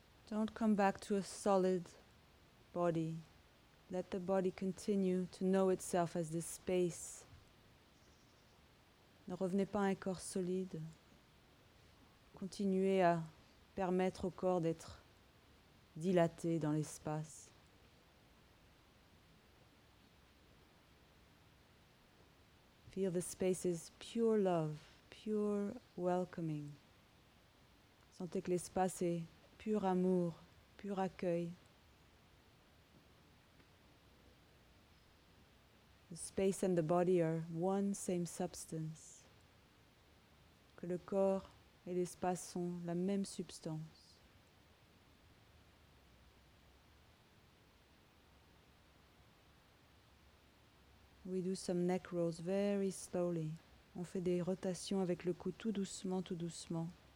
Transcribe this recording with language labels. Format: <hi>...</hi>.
<en>Don't come back to a solid body. Let the body continue to know itself as this space.</en> <fr>Ne revenez pas à un corps solide. Continuez à permettre au corps d'être dilaté dans l'espace.</fr> <en>Feel the space is pure love, pure welcoming.</en> <fr>Sentez que l'espace est pur amour, pur accueil.</fr> <en>The space and the body are one same substance.</en> <fr>Que le corps et l'espace sont la même substance.</fr> <en>We do some neck rolls very slowly.</en> <fr>On fait des rotations avec le cou tout doucement, tout doucement.</fr>